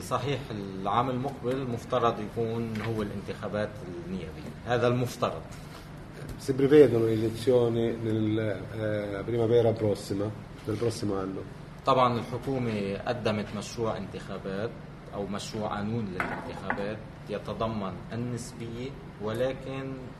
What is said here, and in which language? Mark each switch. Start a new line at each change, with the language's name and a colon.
Arabic: صحيح العام المقبل مفترض يكون هو الانتخابات النيابيه، هذا المفترض.
Italian: si prevedono elezioni nel primavera prossima del prossimo anno.
Arabic: طبعا الحكومه قدمت مشروع انتخابات او مشروع قانون للانتخابات يتضمن النسبيه ولكن